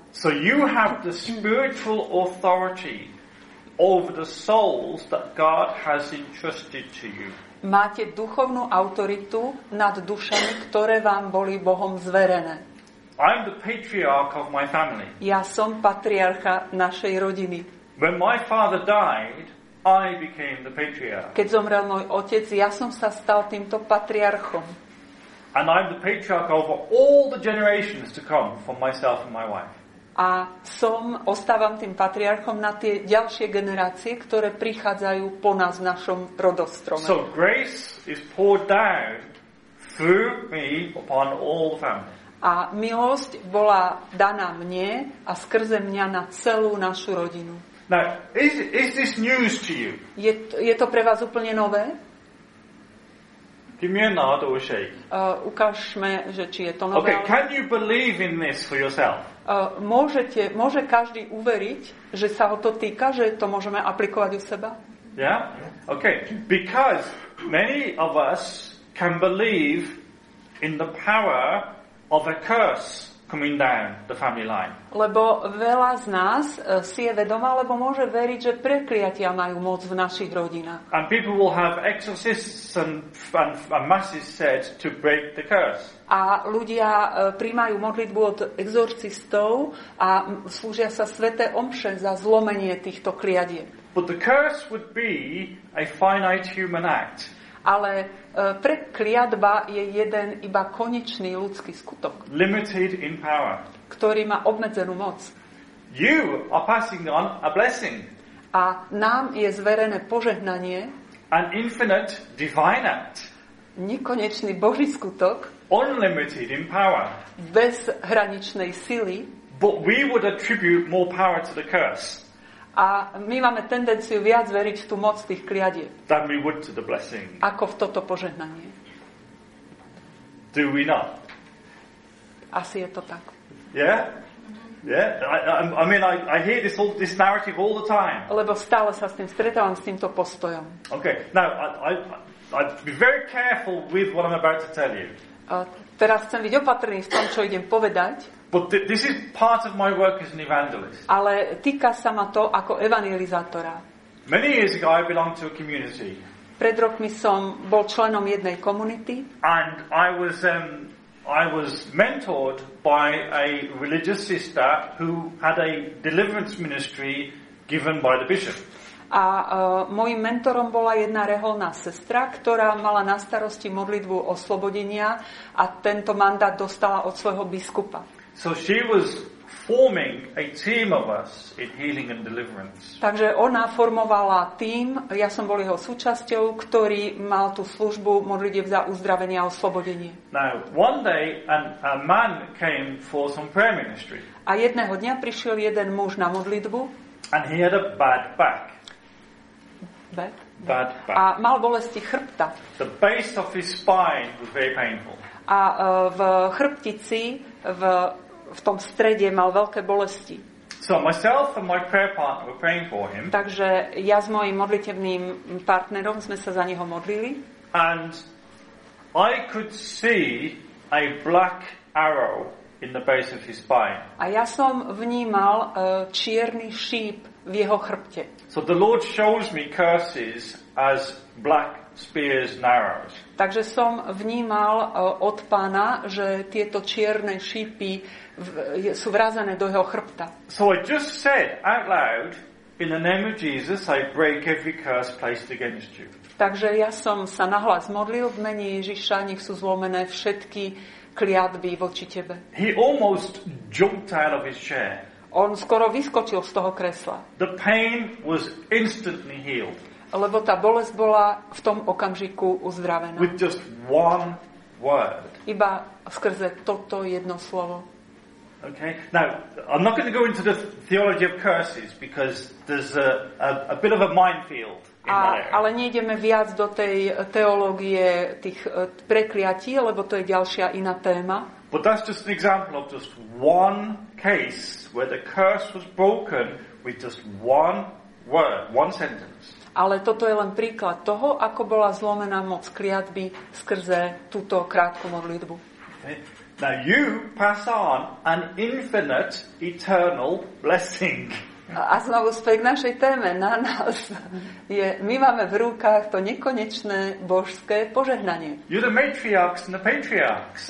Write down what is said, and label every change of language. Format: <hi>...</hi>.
<en>So you have the spiritual authority over the souls that God has entrusted to you.</en> <sk>Máte duchovnú autoritu nad dušami, ktoré vám boli Bohom zverené.</sk> <en>I'm the patriarch of my family.</en> <sk>Ja som patriarcha našej rodiny.</sk> <en>When my father died, I became the patriarch.</en> <sk>Keď zomrel môj otec, ja som sa stal týmto patriarchom.</sk> <en>And I'm the patriarch over all the generations to come for myself and my wife.</en> <sk>A som ostávam tým patriarchom na tie ďalšie generácie, ktoré prichádzajú po nás v našom rodostrome.</sk> <en>So grace is poured down through me upon all the family.</en> <sk>A milosť bola daná mne a skrze mňa na celú našu rodinu.</sk> <en>Now, is this news to you?</en> <sk>Je to pre vás úplne nové?</sk> <en>Give me a nod or a shake.</en> <sk>Ukážme, že či je to nové.</sk> <en>Okay, can you believe in this for yourself?</en> <sk>Môže každý uveriť, že sa ho to týka, že to môžeme aplikovať u seba?</sk> <en>Yeah? Okay, because many of us can believe in the power of a curse coming down the family line.</en> <sk>Lebo veľa z nás si je vedomá, lebo môže veriť, že prekliatia majú moc v našich rodinách.</sk> <en>And people will have exorcists and masses said to break the curse.</en> <sk>A ľudia prijímajú modlitbu od exorcistov a slúžia sa sväté omše za zlomenie týchto kliadieb.</sk> <en>But the curse would be a finite human act.</en> <sk>Ale prekliatba je jeden iba konečný ľudský skutok.</sk> <en>Limited in power.</en> <sk>Ktorý má obmedzenú moc.</sk> <en>You are passing on a blessing.</en> <sk>A nám je zverené požehnanie.</sk> <en>An infinite divine act.</en> <sk>Nekonečný Boží skutok.</sk> <en>Unlimited in power.</en> <sk>Bezhraničnej sily.</sk> <en>But we would attribute more power to the curse.</en> <sk>A my máme tendenciu viac veriť tú moc tých kliadieb.</sk> <en>Than we would to the blessing.</en> <sk>Ako v toto požehnanie.</sk> <en>Do we not?</en> <sk>Asi je to tak.</sk> <en>Yeah? Yeah? I mean I hear this narrative all the time.</en> <sk>Lebo stále sa s tým stretávam, s týmto postojom.</sk> <en>Okay. Now I'd be very careful with what I'm about to tell you.</en> <sk>Teraz chcem byť opatrný v tom, čo idem povedať.</sk> <en>But this is part of my work as an evangelist.</en> <sk>Ale týka sa ma to ako evangelizátora.</sk> <en>Many years ago I belonged to a community.</en> <sk>Pred rokmi som bol členom jednej komunity.</sk> <en>And I was mentored by a religious sister who had a deliverance ministry given by the bishop.</en> <sk>A mojim mentorom bola jedna reholná sestra, ktorá mala na starosti modlitbu oslobodenia a tento mandát dostala od svojho biskupa.</sk> <en>So she was forming a team of us in healing and deliverance.</en> <sk>Takže ona formovala tím, ja som bol jeho súčasťou, ktorý mal tú službu modlitieb za uzdravenie a oslobodenie.</sk> <en>Now, one day a man came for some prayer ministry.</en> <sk>A jedného dňa prišiel jeden muž na modlitbu.</sk> <en>And he had a bad back. Bad? bad back.</en> <sk>A mal bolesti chrbta.</sk> <en>The base of his spine was very painful.</en> <sk>A v chrbtici, v tom strede mal veľké bolesti.</sk> <en>So myself and my prayer partner were praying for him.</en> <sk>Takže ja s mojím modlitevným partnerom sme sa za neho modlili.</sk> <en>And I could see a black arrow in the base of his spine.</en> <sk>A ja som vnímal čierny šíp v jeho chrbte.</sk> <en>So the Lord shows me curses as black spears and arrows.</en> <sk>Takže som vnímal od Pána, že tieto čierne šípy sú vrazené do jeho chrbta.</sk> <en>So I just said out loud, in the name of Jesus, I break every curse placed against you.</en> <sk>Takže ja som sa nahlas modlil, v mene Ježiša, nech sú zlomené všetky kliatby voči tebe.</sk> <en>He almost jumped out of his chair.</en> <sk>On skoro vyskočil z toho kresla.</sk> <en>The pain was instantly healed.</en> <sk>Lebo tá bolesť bola v tom okamžiku uzdravená.</sk> <en>With just one word.</en> <sk>Iba skrze toto jedno slovo.</sk> <en>Okay. Now, I'm not going to go into the theology of curses because there's a bit of a minefield.</en> <sk>Ale nejdeme viac do tej teológie tých prekliatí, lebo to je ďalšia iná téma.</sk> <en>But that's just an example of just one case where the curse was broken with just one word, one sentence.</en> <sk>Ale toto je len príklad toho, ako bola zlomená moc kliatby skrze túto krátku modlitbu.</sk> <en>Now you pass on an infinite eternal blessing.</en> <sk>A znovu späť k našej téme, na nás je, my máme v rukách to nekonečné božské požehnanie.</sk> <en>You're the matriarchs and the patriarchs.</en>